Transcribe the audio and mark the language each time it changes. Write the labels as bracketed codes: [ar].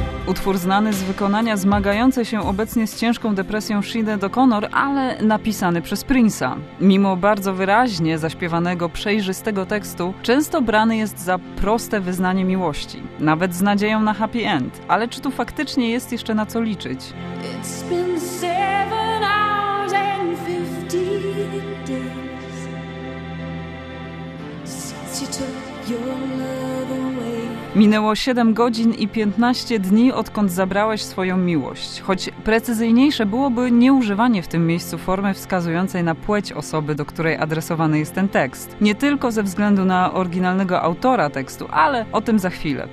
[pl] Utwór znany z wykonania zmagającej się obecnie z ciężką depresją Sinéad O'Connor, ale napisany przez Prince'a. Mimo bardzo wyraźnie zaśpiewanego, przejrzystego tekstu, często brany jest za proste wyznanie miłości. Nawet z nadzieją na happy end. Ale czy tu faktycznie jest jeszcze na co liczyć? [en] It's been 7 hours and 15 days since you took your love away. [pl] Minęło 7 godzin i 15 dni, odkąd zabrałeś swoją miłość. Choć precyzyjniejsze byłoby nieużywanie w tym miejscu formy wskazującej na płeć osoby, do której adresowany jest ten tekst. Nie tylko ze względu na oryginalnego autora tekstu, ale o tym za chwilę.